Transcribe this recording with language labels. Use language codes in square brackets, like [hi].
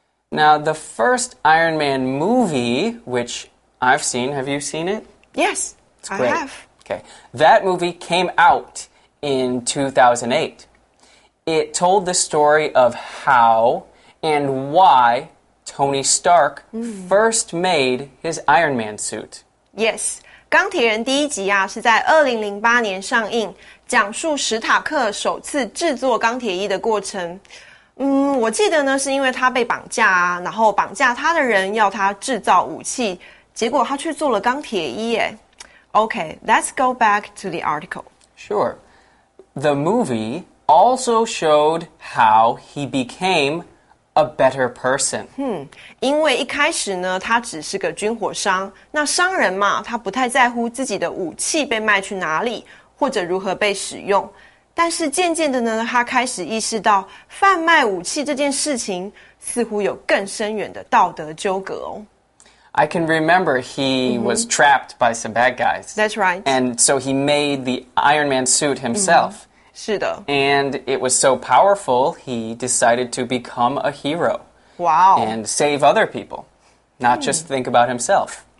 [en] Now, the first Iron Man movie, which I've seen, have you seen it? Yes, I have. Okay. That movie came out in 2008. It told the story of how and why Tony Stark、first made his Iron Man suit. [zh] Yes, 钢铁人第一集啊是在2008年上映，讲述史塔克首次制作钢铁衣的过程。我记得呢是因为他被绑架啊，然后绑架他的人要他制造武器。结果他却做了钢铁衣耶。 [en] Okay, let's go back to the article. Sure. The movie also showed how he became a better person. [zh] 因为一开始呢，他只是个军火商。那商人嘛，他不太在乎自己的武器被卖去哪里，或者如何被使用。但是渐渐的呢，他开始意识到贩卖武器这件事情似乎有更深远的道德纠葛哦。 [en] I can remember he、was trapped by some bad guys. That's right. And so he made the Iron Man suit himself.、 [zh] 是的。 [en] And it was so powerful, he decided to become a hero. Wow. And save other people, not、just think about himself.